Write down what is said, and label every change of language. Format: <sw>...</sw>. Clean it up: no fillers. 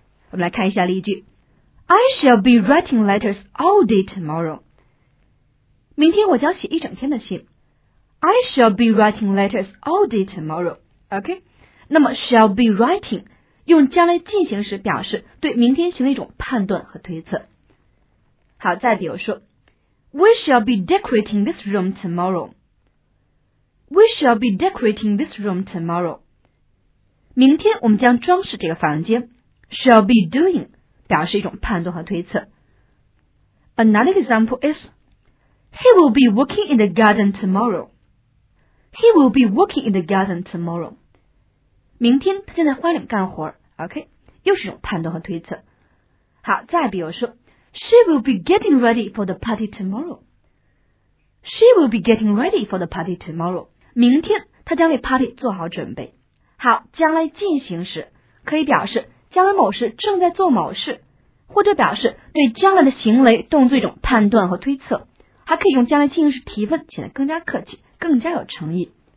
<zh>我们来看一下例句，</zh> <en>I shall be writing letters all day tomorrow，</en> <zh>明天我将写一整天的信。</zh> <en>I shall be writing letters all day tomorrow。</en> <zh>OK， 那么 shall be writing 用将来进行时表示对明天行的一种判断和推测。好，再比如说，</zh> <en>We shall be decorating this room tomorrow. We shall be decorating this room tomorrow.</en> <zh>明天我们将装饰这个房间。Shall be doing 表示一种判断和推测。</zh> <en>Another example is, He will be working in the garden tomorrow. He will be working in the garden tomorrow.</en> <zh>明天他将在花园干活。 OK， 又是一种判断和推测。好，再比如说，</zh> <en>She will be getting ready for the party tomorrow. She will be getting ready for the party tomorrow.</en> <zh>明天她将为 party 做好准备。好，将来进行时可以表示将来某事正在做某事，或者表示对将来的行为动作一种判断和推测，还可以用将来进行时提问，显得更加客气，更加有诚意。</zh>